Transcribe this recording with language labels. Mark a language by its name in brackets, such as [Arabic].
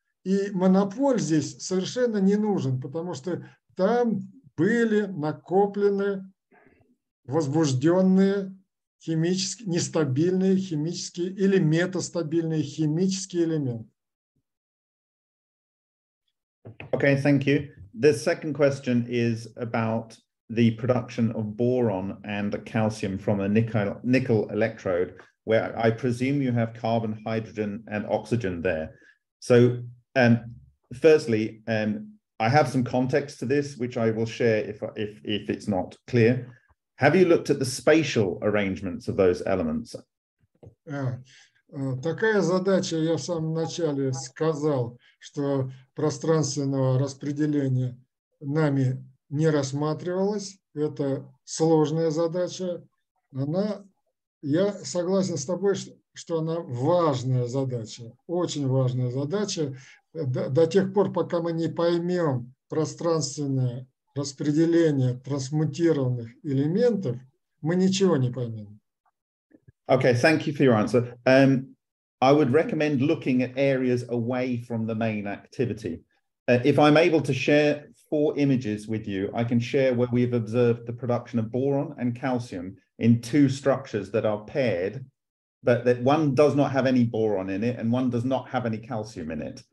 [Russian] И монополь здесь совершенно не нужен, потому что там были накоплены возбужденные химически нестабильные химические или метастабильные химические элементы. [English] Okay, thank you. The second question is about the production of boron and calcium from a nickel electrode, where I presume you have carbon, hydrogen, and oxygen there. So, firstly, I have some context to this, which I will share if it's not clear. Have you looked at the spatial arrangements of those elements? [Russian] Такая задача, я в самом начале сказал, что пространственного распределения нами не рассматривалось. Это сложная задача. Я согласен с тобой, что она важная задача, очень важная задача. До тех пор, пока мы не поймем пространственное распределение трансмутированных элементов, мы ничего не поймем. [English] Okay, thank you for your answer. I would recommend looking at areas away from the main activity. If I'm able to share four images with you, I can share where we've observed the production of boron and calcium in two structures that are paired, but that one does not have any boron in it and one does not have any calcium in it.